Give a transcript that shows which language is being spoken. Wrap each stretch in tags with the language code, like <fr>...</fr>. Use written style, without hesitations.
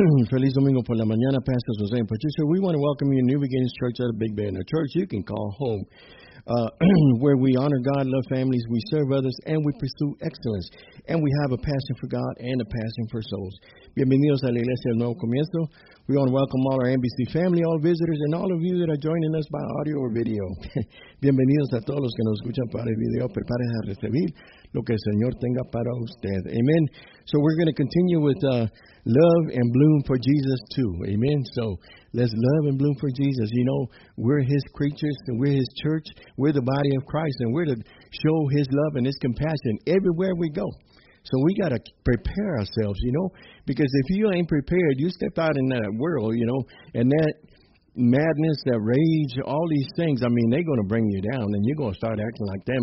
<es>Feliz Domingo por la mañana, Pastor Jose and Patricia.</es> <en>We want to welcome you to New Beginnings Church out of Big Bear, a church you can call home, where we honor God, love families, we serve others, and we pursue excellence. And we have a passion for God and a passion for souls.</en> <es>Bienvenidos a la Iglesia del Nuevo Comienzo.</es> <en>We want to welcome all our NBC family, all visitors, and all of you that are joining us by audio or video.</en> <es>Bienvenidos a todos los que nos escuchan para el video. Preparen a recibir lo que el Señor tenga para usted.</es> <en>Amen. So we're going to continue with love and bloom for Jesus too. Amen. So let's love and bloom for Jesus. You know, we're His creatures and we're His church. We're the body of Christ and we're to show His love and His compassion everywhere we go. So we got to prepare ourselves, you know, because if you ain't prepared, you step out in that world, you know, and that madness, that rage, all these things, I mean, they're going to bring you down and you're going to start acting like them.</en>